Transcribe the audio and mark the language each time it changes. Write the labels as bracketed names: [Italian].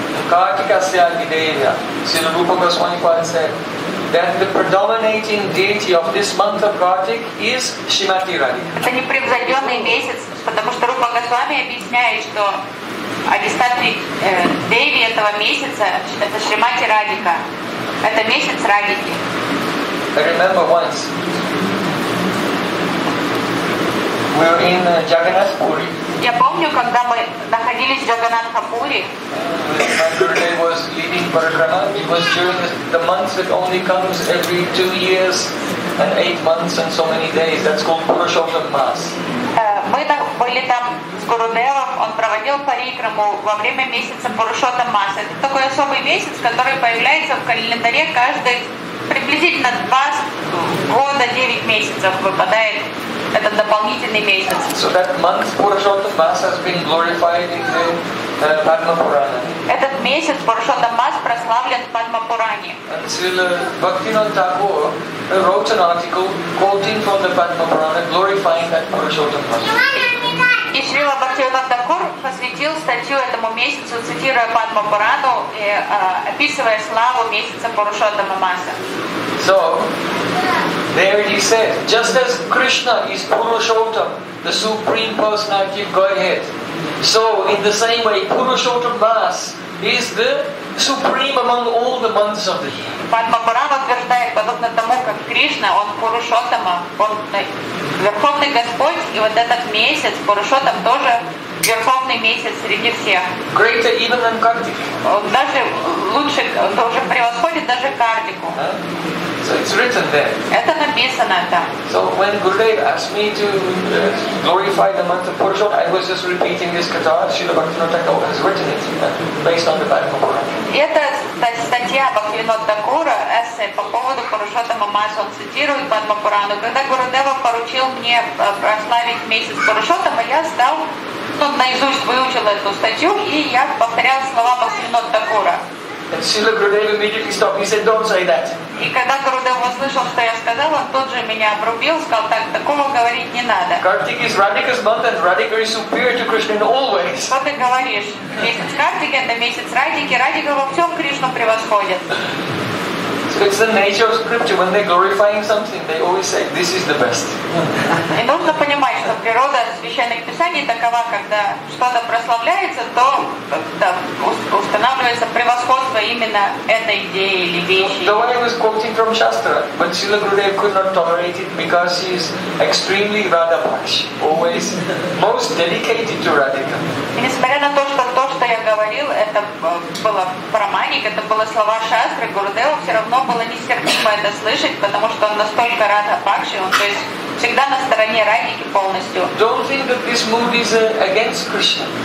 [English] Kartika Sayagideya, Srila Rupa Goswami Pada said that the predominating deity of this month of Kartik is Shrimati Radhika. [Russian] Это непревзойденный месяц, потому что Рупа Госвами объясняет, что адхистатри деви этого месяца это Шримати Радика. Это месяц Радики. [English] I remember once we were in Jagannath Puri. [Russian] Я помню, когда мы находились в Джаганатхапури. [English] Guru was leading Parikrama. It was during the month that only comes every 2 years and 8 months and so many days. That's called Purushottam Mass. [Russian] Мы были там с Гурудевом. Он проводил Парикраму во время месяца Пурушоттам Масса. Это такой особый месяц, который появляется в календаре каждый приблизительно 2 года 9 месяцев выпадает. Это дополнительный месяц. [English] So that month Purushottam Mass has been glorified in the Padma Purana. [Russian] Этот месяц Purushottam Mass прославлен в Padma Purana. [English] Srila Bhaktivinoda Thakur wrote an article quoting from the Padma Purana glorifying that Purushottam Mass. [Russian] И Srila Bhaktivinoda Thakur посвятил статью этому месяцу, цитируя Padma Purana и описывая славу месяца Purushottam Mass. [English] So there he said, just as Krishna is Purushottam, the Supreme Personality of Godhead, so in the same way, Purushottam Mass is the supreme among all the months of the year. [Russian] Padma Purana утверждает, подобно тому, как Кришна, он Пурушоттама, он Верховный Господь, и вот этот месяц, Пурушоттам, тоже Верховный месяц среди всех. [English] Greater even than Kartik. [Russian] Он даже лучше, он уже превосходит даже Картику. [English] So it's written there. [Russian] Это написано там. [English] So when Gurudev asked me to glorify the month of Purushottam, I was just repeating this kata. Srila Bhaktivinoda Thakura has written it based on the Padma Purana. [Russian] Это статья Бхактивинода Такура, эссе по поводу Пурушоттама Масса. Он цитирует Падма Пурану. Когда Гурудева поручил мне прославить месяц Пурушоттама, я стал, наизусть выучил эту статью, и я повторял слова Бхактивинода Такура. [English] And Srila Gurudev immediately stopped. He said, "Don't say that." [Russian] И когда Гурудев услышал, что я сказал, он тут же меня обрубил, сказал, так такого говорить не надо. [English] Kartik is Radhika's month, and Radhika is superior to Krishna always. [Russian] Что ты говоришь? Месяц Картик это месяц Радики, Радика во всем Кришну превосходит. [English] So it's the nature of scripture. When they're glorifying something, they always say, "This is the best." [Russian] И нужно понимать, что природа священных писаний такова, когда что-то прославляется, то устанавливается превосходство именно этой идеи или вещи. [English] The way I was quoting from Shastra, but Srila Gurudev could not tolerate it because he is extremely Radha-paksh, always most dedicated to Radhika. [Russian] И несмотря на то, что я говорил, это было параманик, это были слова Шастры, Гурудева, все равно было нестерпимо это слышать, потому что он настолько Радха-пакши, он то есть всегда на стороне Радхики полностью. [English] Don't think that this mood is against Krishna.